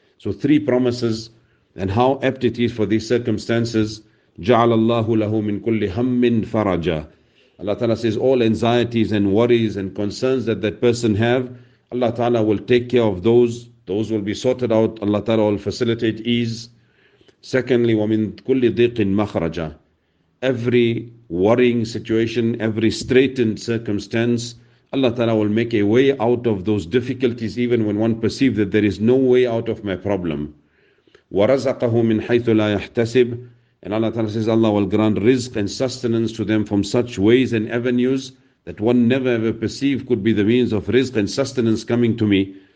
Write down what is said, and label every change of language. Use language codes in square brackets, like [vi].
[en] So three promises. And how apt it is for these circumstances. [ar] جَعَلَ اللَّهُ لَهُ مِنْ كُلِّ هَمٍ فَرَجًا. [en] Allah Ta'ala says, all anxieties and worries and concerns that that person have, Allah Ta'ala will take care of those. Those will be sorted out. Allah Ta'ala will facilitate ease. Secondly, [ar] وَمِنْ كُلِّ ضِيقٍ مَخْرَجًا. [en] Every worrying situation, every straitened circumstance, Allah Ta'ala will make a way out of those difficulties, even when one perceives that there is no way out of my problem. [ar] وَرَزَقَهُ مِنْ حَيْثُ لَا يَحْتَسِبُ. [en] And Allah Ta'ala says, Allah will grant rizq and sustenance to them from such ways and avenues that one never ever perceived could be the means of rizq and sustenance coming to me.